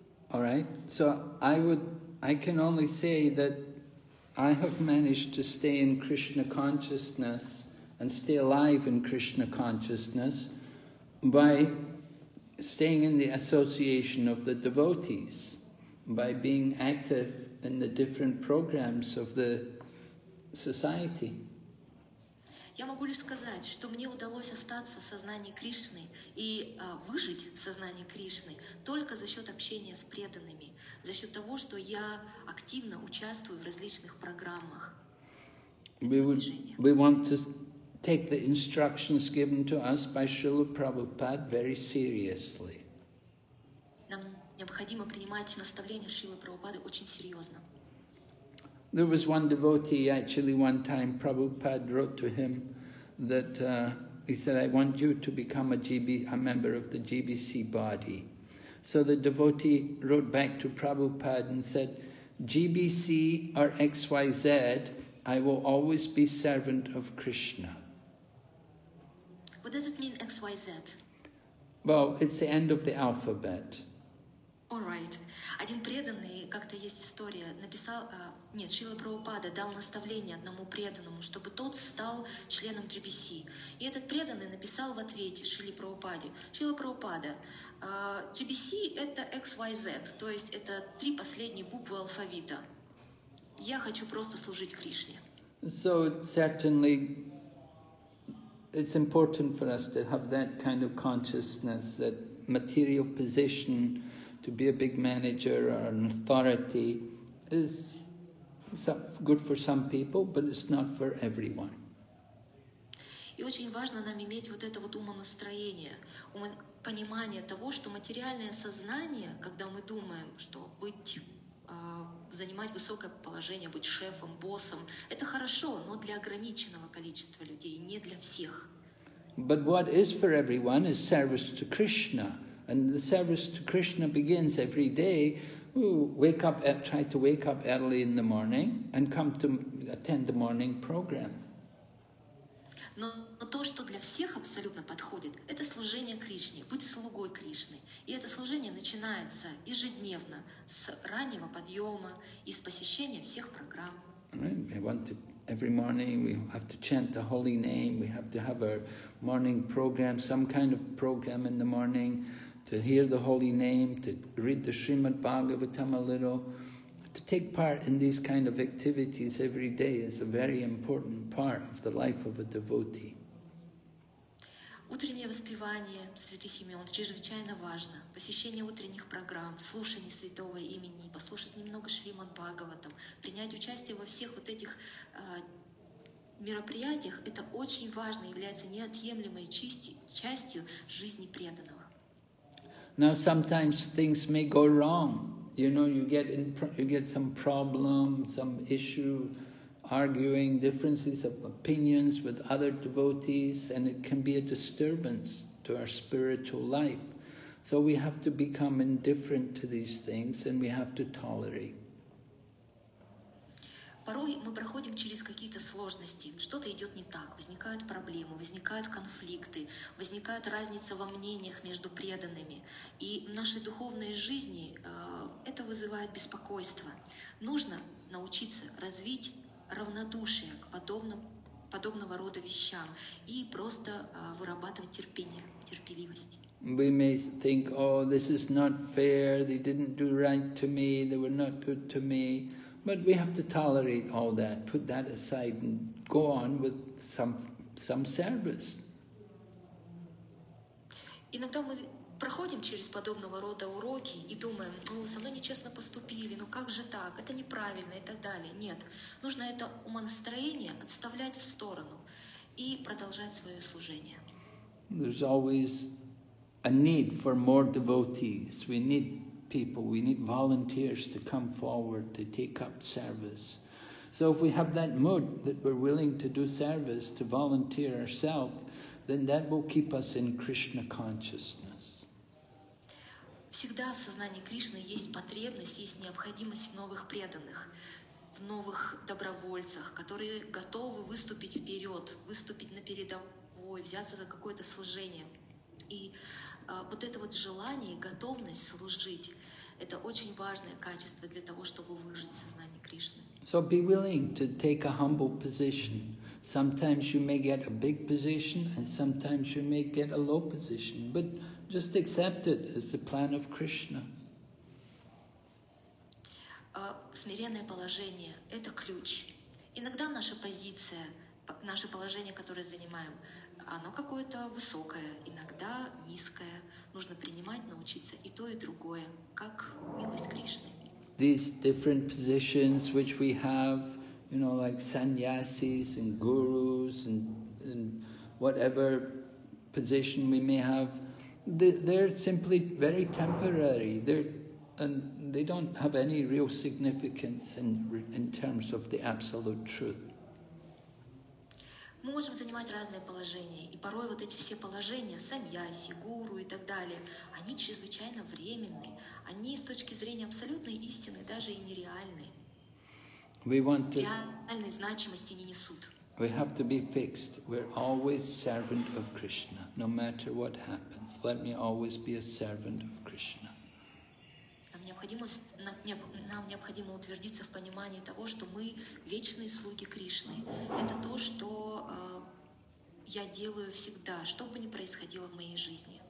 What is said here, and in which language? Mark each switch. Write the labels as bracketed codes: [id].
[en] All right, so I can only say that I have managed to stay in Krishna consciousness and stay alive in Krishna consciousness by staying in the association of the devotees, by being active in the different programs of the society. [ru] Я могу лишь сказать, что мне удалось остаться в сознании Кришны и выжить в сознании Кришны только за счет общения с преданными, за счет того, что я активно участвую в различных программах. [en] We want to take the instructions given to us by Srila Prabhupada very seriously. [ru] Нам необходимо принимать наставления Шрилы Прабхупады очень серьезно. [en] There was one devotee, actually one time Prabhupada wrote to him that he said, I want you to become a member of the GBC body. So the devotee wrote back to Prabhupada and said, GBC or XYZ, I will always be servant of Krishna. What does it mean, XYZ? Well, it's the end of the alphabet. All right. [ru] Один преданный, как-то есть история, написал, нет, Шрила Прабхупада дал наставление одному преданному, чтобы тот стал членом GBC. И этот преданный написал в ответе Шриле Прабхупаде, Шрила Прабхупада, GBC это XYZ, то есть это три последние буквы алфавита. Я хочу просто служить Кришне. [en] So certainly it's important for us to have that kind of consciousness, that material position to be a big manager or an authority is good for some people, but it's not for everyone. [ru] И очень важно нам иметь вот это вот умонастроение, понимание того, что материальное сознание, когда мы думаем, что быть, занимать высокое положение, быть шефом, боссом, это хорошо, но для ограниченного количества людей, не для всех. [en] But what is for everyone is service to Krishna. And the service to Krishna begins every day. We wake up, try to wake up early in the morning and come to attend the morning program. [ru] Но то, что для всех абсолютно подходит, это служение Кришне, будь слугой Кришны. И это служение начинается ежедневно с раннего подъема и с посещения всех программ. [en] Right. We want to, every morning we have to chant the holy name, we have to have our morning program, some kind of program in the morning. To hear the holy name, to read the Srimad Bhagavatam a little, to take part in these kind of activities every day is a very important part of the life of a devotee. [ru] Утреннее воспевание святых имен чрезвычайно важно. Посещение утренних программ, слушание святого имени, послушать немного Шримад Бхагаватам, принять участие во всех вот этих мероприятиях – это очень важно, является неотъемлемой частью жизни преданного. [en] Now sometimes things may go wrong, you know, you get some problem, some issue, arguing, differences of opinions with other devotees, and it can be a disturbance to our spiritual life. So we have to become indifferent to these things and we have to tolerate. [ru] Порой мы проходим через какие-то сложности, что-то идет не так, возникают проблемы, возникают конфликты, возникают разница во мнениях между преданными. И в нашей духовной жизни это вызывает беспокойство. Нужно научиться развить равнодушие к подобного рода вещам и просто вырабатывать терпение, терпеливость. [en] We may think, oh, this is not fair, they didn't do right to me, they were not good to me. But we have to tolerate all that, put that aside, and go on with some service. [ru] Иногда мы проходим через подобного рода уроки и думаем, ну со мной нечестно поступили, ну как же так, это неправильно и так далее. Нет, нужно это умонастроение отставлять в сторону и продолжать свое служение. [en] There's always a need for more devotees. We need people, we need volunteers to come forward to take up service. So if we have that mood that we're willing to do service, to volunteer ourselves, then that will keep us in Krishna consciousness. [ru] Всегда в сознании Кришны есть потребность, есть необходимость в новых преданных, в новых добровольцах, которые готовы выступить вперед, выступить на передовой, взяться за какое-то служение. И вот это вот желание и готовность служить – это очень важное качество для того, чтобы выжить в сознании Кришны. [en] So be willing to take a humble position. Sometimes you may get a big position and sometimes you may get a low position, but just accept it as the plan of Krishna. [ru] Смиренное положение – это ключ. Иногда наша позиция, наше положение, которое занимаем, оно какое-то высокое, иногда низкое. Нужно принимать, научиться и то, и другое, как милость Кришны. [en] These different positions which we have, you know, like sannyasis and gurus and whatever position we may have, they're simply very temporary. They're and they don't have any real significance in terms of the absolute truth. [ru] Мы можем занимать разные положения, и порой вот эти все положения, саньяси, гуру и так далее, они чрезвычайно временные, они с точки зрения абсолютной истины даже и нереальные. Реальной значимости не несут. [en] We have to be fixed. We're always servant of Krishna, no matter what happens. Let me always be a servant of Krishna. [ru] Нам необходимо утвердиться в понимании того, что мы вечные слуги Кришны. Это то, что я делаю всегда, что бы ни происходило в моей жизни.